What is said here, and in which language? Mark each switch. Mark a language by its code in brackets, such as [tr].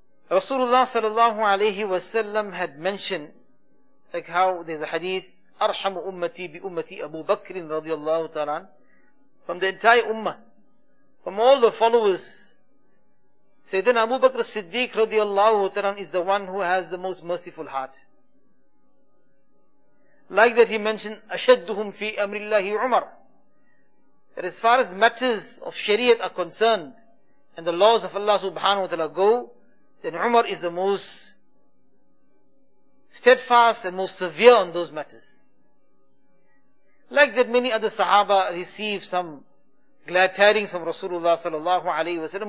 [en] Rasulullah sallallahu alayhi wa sallam had mentioned, like how there's a hadith, [ar] أَرْحَمُ أُمَّتِي بِأُمَّتِي أَبُو بَكْرٍ رَضِيَ اللَّهُ تَعَالَىٰ [en] From the entire ummah, from all the followers, Sayyidina Abu Bakr Siddiq radiallahu ta'ala is the one who has the most merciful heart. Like that he mentioned, [ar] أَشَدُّهُمْ فِي أَمْرِ اللَّهِ عُمَرٌ. [en] That as far as matters of Shariat are concerned, and the laws of Allah subhanahu wa ta'ala go, then Umar is the most steadfast and most severe on those matters. Like that many other Sahaba received some glad tidings from Rasulullah sallallahu alayhi wa sallam.